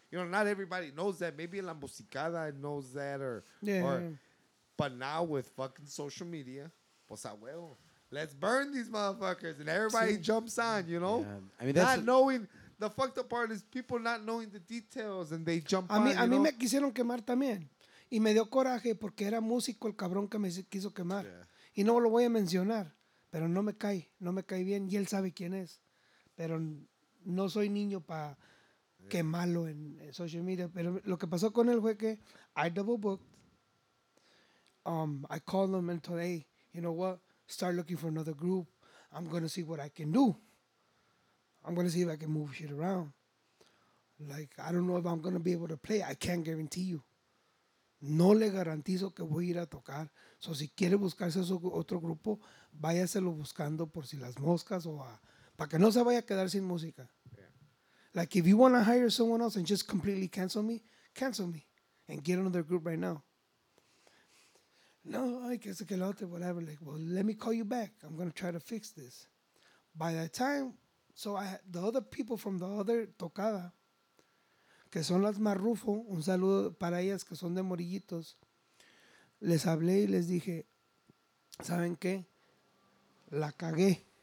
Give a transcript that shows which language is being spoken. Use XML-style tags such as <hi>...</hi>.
<en>You know, not everybody knows that. Maybe La Musicada knows that. But now with fucking social media,</en> <es>pues abuelo,</es> <en>let's burn these motherfuckers. And everybody jumps on, you know? Yeah. I mean, that's not knowing. The fucked up part is people not knowing the details and they jump a on.</en> <es>A mí me quisieron quemar también. Y me dio coraje porque era músico el cabrón que me quiso quemar.</es> <en>Yeah.</en> <es>Y no lo voy a mencionar. Pero no me cae. No me cae bien. Y él sabe quién es. Pero no soy niño para quemarlo en social media. Pero lo que pasó con él fue que</es> <en>I double booked. I called him and told, hey, you know what? Start looking for another group. I'm going to see what I can do. I'm going to see if I can move shit around. Like, I don't know if I'm going to be able to play. I can't guarantee you.</en> <es>No le garantizo que voy a ir a tocar. So si quiere buscarse otro grupo, váyaselo buscando por si las moscas o a... Para que no se vaya a quedar sin música.</es> <en>Like, if you want to hire someone else and just completely cancel me, and get another group right now. No, I guess I can't, whatever. Like, well, let me call you back. I'm going to try to fix this. By that time, the other</en> <es>people from the other tocada, que son las Marrufo, un saludo para ellas, que son de Morillitos, les hablé y les dije, ¿saben qué? La cagué.</es>